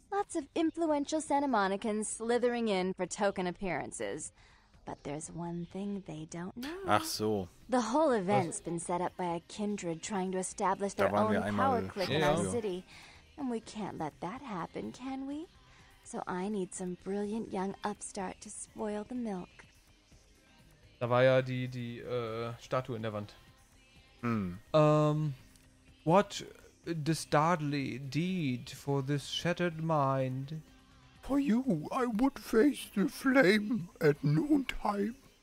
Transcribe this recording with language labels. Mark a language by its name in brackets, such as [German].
[English] Lots of influential Santa Monicans slithering in for token appearances. But there's one thing they don't know. [German] Ach so. [English] The whole event's been set up by a kindred trying to establish their own power clique in our city. And we can't let that happen, can we? So I need some brilliant young upstart to spoil the milk. [German] Da war ja die Statue in der Wand. Hm. [English] What the startly deed for this shattered mind? For you, I would face the flame at noontime.